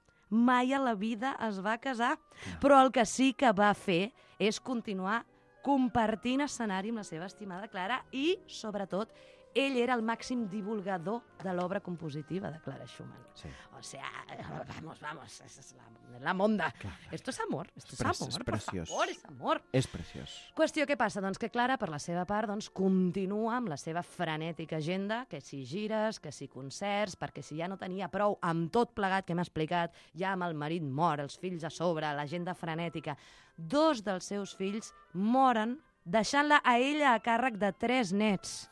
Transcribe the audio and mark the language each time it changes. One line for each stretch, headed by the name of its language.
Catalan: Mai a la vida es va casar. No. Però el que sí que va fer és continuar compartint escenari amb la seva estimada Clara i, sobretot, ell era el màxim divulgador de l'obra compositiva de Clara Schumann. Sí.
Spanish: O sea, vamos, esa es la monda.
Catalan: Clar.
Spanish: Esto es amor, esto es amor.
Catalan: És preciós. Qüestió, què passa? Doncs que Clara, per la seva part, doncs, continua amb la seva frenètica agenda, que si gires, que si concerts, perquè si ja no tenia prou amb tot plegat que m'ha explicat, ja amb el marit mort, els fills a sobre, l'agenda frenètica, dos dels seus fills moren deixant-la a ella a càrrec de tres nets.